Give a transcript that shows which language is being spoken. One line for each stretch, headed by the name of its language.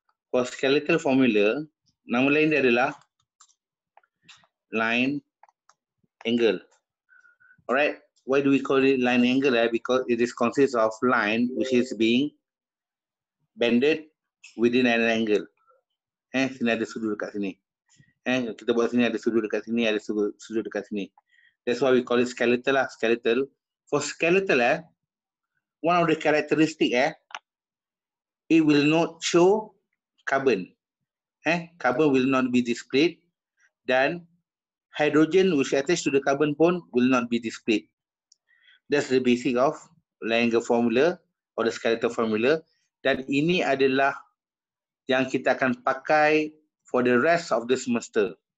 English: For skeletal formula,
Malay: nama lain dia adalah
English: line angle. Alright. Why do we call it line angle eh? Because it is consists of line which is being bended within an angle.
Malay: Eh, sini ada sudut dekat sini. Eh, kita buat sini ada sudut dekat sini, ada sudut dekat sini.
English: That's why we call it skeletal lah, skeletal. For skeletal eh, one of the characteristic eh, it will not show carbon. Eh, carbon will not be displayed. Dan hydrogen which attached to the carbon pun will not be displayed. That's the basic of Langer formula or the skeletal formula.
Malay: Dan ini adalah yang kita akan pakai
English: for the rest of the semester.